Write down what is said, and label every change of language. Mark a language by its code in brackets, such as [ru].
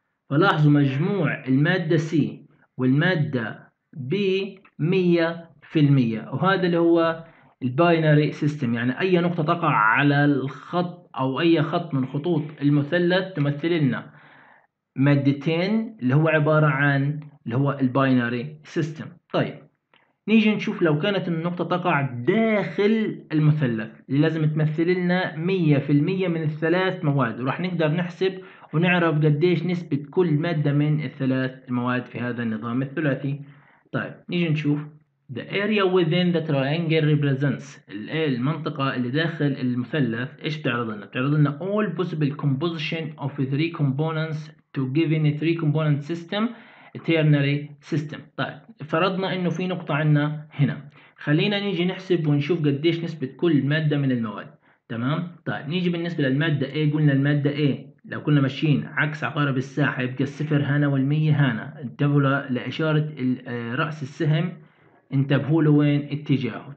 [ar] فلاحظوا مجموع المادة C والمادة B 100%، وهذا اللي هو الباينري سيستم، يعني اي نقطة تقع على الخط او اي خط من خطوط المثلث تمثل لنا مادتين، اللي هو عبارة عن اللي هو الباينري سيستم. طيب نيجي نشوف لو كانت النقطة تقع داخل المثلث، اللي لازم تمثل لنا 100% من الثلاث مواد، وراح نقدر نحسب ونعرف قديش نسبة كل مادة من الثلاث المواد في هذا النظام الثلاثي. طيب نيجي نشوف [en] the area within the triangle represents، [ar] المنطقة اللي داخل المثلث ايش بتعرض لنا؟ [en] بتعرض لنا all possible composition of three components to given a three component system ternary system. [ar] طيب فرضنا انه في نقطة عنا هنا، خلينا نيجي نحسب ونشوف قديش نسبة كل مادة من المواد. تمام؟ طيب نيجي بالنسبة للمادة A، قلنا المادة A لو كنا ماشيين عكس عقارب الساعة يبقى الصفر هنا والمية هنا، انتبهوا لإشارة رأس السهم، انتبهوا له وين اتجاهه.